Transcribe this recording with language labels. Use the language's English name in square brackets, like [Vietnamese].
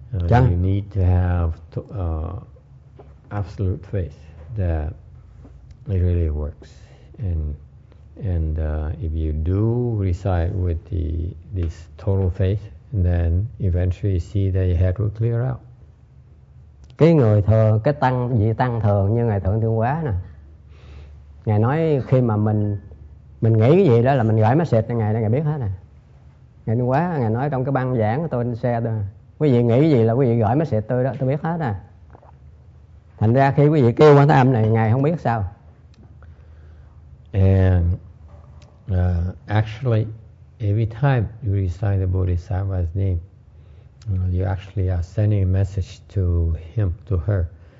[English] You need to have absolute faith that it really works. And if you do recite with this total faith, then eventually you see that your head will clear out. [Vietnamese] Cái người thường, cái tăng, vị tăng thường như Ngài Thượng Thượng Quá nè. Ngài nói khi mà mình nghĩ cái gì đó là mình gửi message cho Ngài đó, Ngài biết hết nè. Ngài Thượng Quá, Ngài nói trong cái băng giảng của tôi trên xe đó, quý vị nghĩ cái gì là quý vị gửi message tôi đó, tôi biết hết nè. Thành ra khi quý vị kêu Quán Thế Âm này, Ngài không biết sao. [English] And actually, every time you recite the Bodhisattva's name, you actually are sending a message to him, to her.